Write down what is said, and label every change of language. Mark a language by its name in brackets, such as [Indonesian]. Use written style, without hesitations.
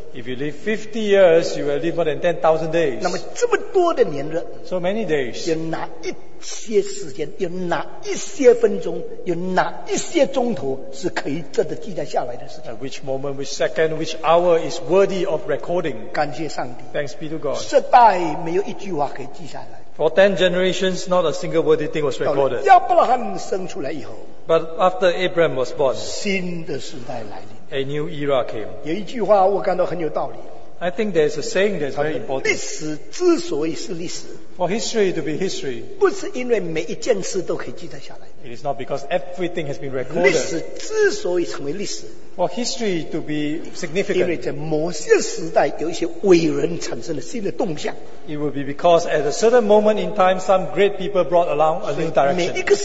[English] If you live 50 years, you will live more than 10,000 days. [Chinese] 那么这么多的年日, [English] so many days. [Chinese] 有哪一些时间, 有哪一些分钟, 有哪一些钟头是可以真的记载下来的事情? [English] Which moment, which second, which hour is worthy of recording? [Chinese] 感谢上帝, [English] thanks be to God. [Chinese] 失败没有一句话可以记下来。 [English] For 10 generations, not a single worthy thing was recorded. [Chinese] 亚伯拉罕生出来以后, [English] but after Abraham was born, [Chinese] 新的时代来临, [English] a new era came. [Chinese] 有一句话我感到很有道理, [English] I think there is a saying that is very important. [Chinese] 历史之所以是历史, [English] for history to be history, [Chinese] 不是因为每一件事都可以记载下来, [English] it is not because everything has been recorded. [Chinese] 历史之所以成为历史, [English] for history to be significant, [Chinese] 因为在某些时代有一些伟人产生了新的动向, [English] it will be because at a certain moment in time some great people brought along a new direction.